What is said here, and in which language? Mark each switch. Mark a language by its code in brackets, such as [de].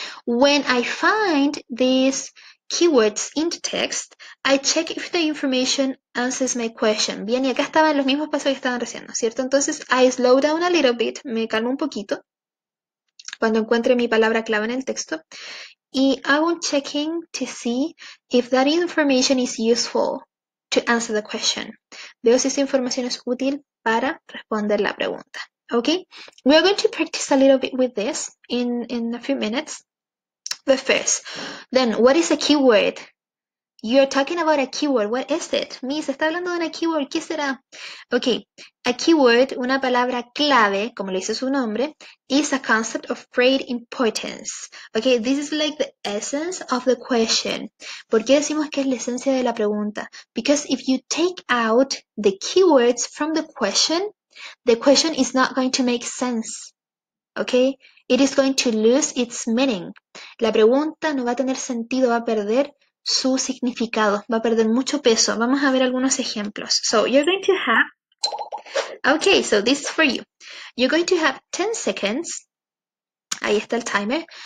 [en] When I find these keywords in the text, I check if the information answers my question. [es] Bien, y acá estaban los mismos pasos que estaban recién, ¿no es cierto? Entonces, [en] I slow down a little bit, [es] me calmo un poquito cuando encuentre mi palabra clave en el texto. Y hago un [en] checking to see if that information is useful to answer the question. [es] Veo si esa información es útil para responder la pregunta. [en] Okay, we are going to practice a little bit with this in a few minutes. But first, then, what is a keyword? You're talking about a keyword. What is it? [es] Miss, está hablando de una keyword. ¿Qué será? Okay, a keyword, una palabra clave, como le dice su nombre, [en] is a concept of great importance. Okay, this is like the essence of the question. [es] ¿Por qué decimos que es la esencia de la pregunta? [en] Because if you take out the keywords from the question is not going to make sense. Okay, it is going to lose its meaning. [es] La pregunta no va a tener sentido, va a perder su significado, va a perder mucho peso. Vamos a ver algunos ejemplos. [en] So, you're going to have. Okay, so this is for you. You're going to have 10 seconds. [es] Ahí está el timer.